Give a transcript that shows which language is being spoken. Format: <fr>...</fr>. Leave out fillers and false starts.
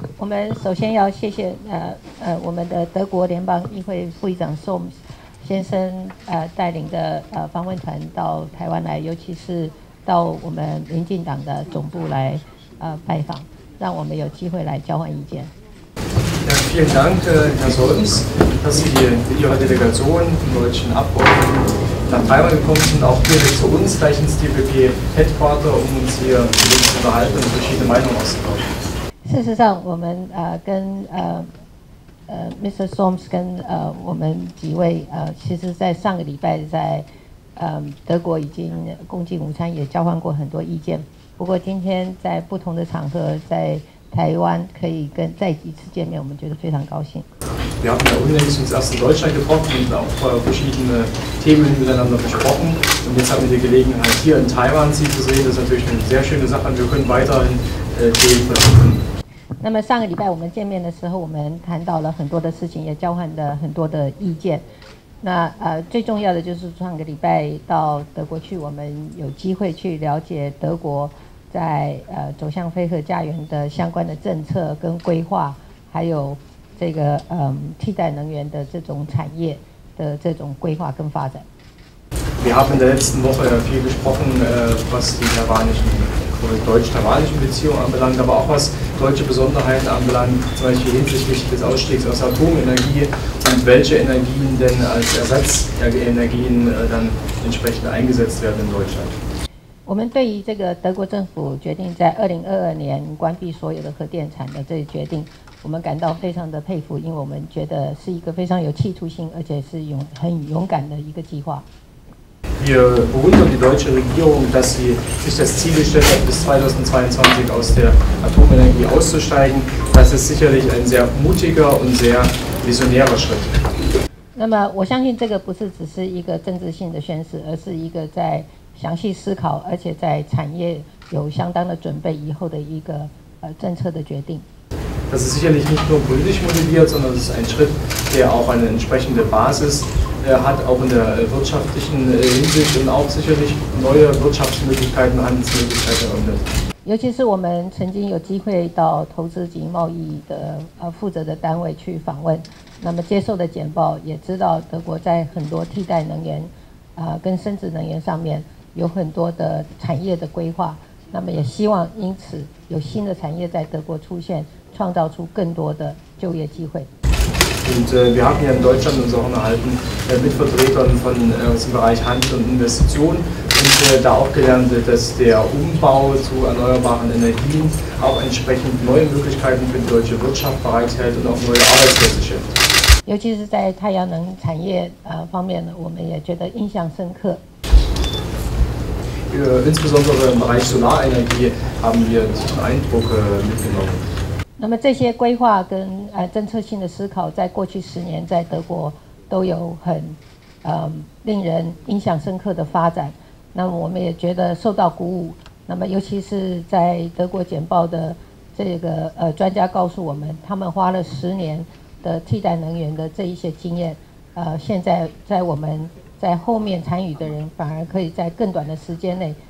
<zh>我们首先要谢谢我们的德国联邦议会副议长宋先生带领的访问团到台湾来，尤其是到我们民进党的总部来拜访，让我们有机会来交换意见。</zh> <de>Vielen Dank, Herr Solms, dass Sie hier in Ihrer Delegation vom deutschen Abgeordneten nach Taiwan gekommen sind, auch hier zu uns gleich ins DPP-Headquarter, um uns hier mit uns zu unterhalten und verschiedene Meinungen auszutauschen.</de> <zh>事实上，我们跟Mr. Solms 跟我们几位其实在上个礼拜在德国已经共进午餐，也交换过很多意见。不过今天在不同的场合，在台湾可以跟再一次见面，我们觉得非常高兴。</zh> <de>Wir haben ja unlängst uns erst in Deutschland getroffen und auch verschiedene Themen miteinander besprochen. Und jetzt haben wir die Gelegenheit, hier in Taiwan Sie zu sehen. Das ist natürlich eine sehr schöne Sache. Wir können weiterhin Themen verfolgen.</de> <zh>那么上个礼拜我们见面的时候，我们谈到了很多的事情，也交换了很多的意见。那最重要的就是上个礼拜到德国去，我们有机会去了解德国在走向非核家园的相关的政策跟规划，还有这个替代能源的这种产业的这种规划跟发展。</zh> <de>Wir haben in der letzten Woche viel gesprochen, was die deutsch-taiwanischen Beziehungen anbelangt, aber auch was deutsche Besonderheiten anbelangt, zum Beispiel hinsichtlich des Ausstiegs aus Atomenergie und welche Energien denn als Ersatzenergien dann entsprechend eingesetzt werden in Deutschland. Wir haben die deutsche Regierung entschieden, dass sie in 2022 alle Kernkraftwerke schließen. Wir haben uns sehr dankbar gefühlt, weil wir denken, dass es eine sehr entschlossene und sehr mutige Idee ist. Wir bewundern die deutsche Regierung, dass sie sich das Ziel gestellt hat, bis 2022 aus der Atomenergie auszusteigen. Das ist sicherlich ein sehr mutiger und sehr visionärer Schritt.</de> <zh>那么我相信这个不是只是一个政治性的宣示，而是一个在详细思考，而且在产业有相当的准备以后的一个政策的决定。</zh> <de>Das ist sicherlich nicht nur politisch motiviert, sondern es ist ein Schritt, der auch eine entsprechende Basis hat, auch in der wirtschaftlichen Hinsicht und auch sicherlich neue Wirtschaftsmöglichkeiten, Handelsmöglichkeiten eröffnet.</de> <zh>尤其是我们曾经有机会到投资及贸易的负责的单位去访问，那么接受的简报也知道德国在很多替代能源跟生殖能源上面有很多的产业的规划，那么也希望因此有新的产业在德国出现。创造出更多的就业机会。</zh> <de>Und wir haben ja in Deutschland uns auch unterhalten mit Vertretern von aus dem Bereich Handel und Investition und da auch gelernt, dass der Umbau zu erneuerbaren Energien auch entsprechend neue Möglichkeiten für die deutsche Wirtschaft bereithält und auch neue Arbeitsplätze schafft.</de> <zh>尤其是在太阳能产业方面呢，我们也觉得印象深刻。</zh> <de>Insbesondere im Bereich Solarenergie haben wir diesen Eindruck mitgenommen.</de> <zh>那么这些规划跟政策性的思考，在过去十年在德国都有很令人印象深刻的发展。那么我们也觉得受到鼓舞。那么尤其是在德国简报的这个专家告诉我们，他们花了十年的替代能源的这一些经验，现在在我们在后面参与的人，反而可以在更短的时间内。</zh>